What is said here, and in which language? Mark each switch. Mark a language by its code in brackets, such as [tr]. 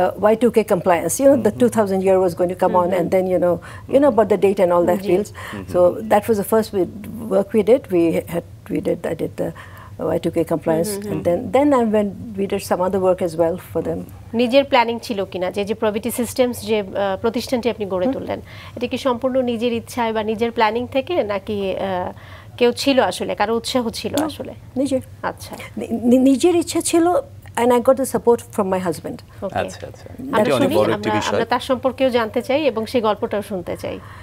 [en] Y2K compliance. You know, the 2000 year was going to come on, and then you know about the date and all that fields. So that was the first work we did. I did the Y2K compliance, and then I went. We did some other work as well for them. [bn] নিজের planning ছিল কিনা, যে যে প্রবিটি systems যে প্রতিষ্ঠানটি আপনি গড়ে তুললেন, এটা কি সম্পূর্ণ নিজের ইচ্ছায় বা নিজের প্ল্যানিং থেকে, নাকি কেউ ছিল আসলে, কারো উৎসাহ ছিল আসলে? নিজের, আচ্ছা, নিজের ইচ্ছা ছিল, [en] and I got the support from my husband. [bn] আমরা তার সম্পর্কেও জানতে চাই এবং সেই গল্পটাও শুনতে চাই।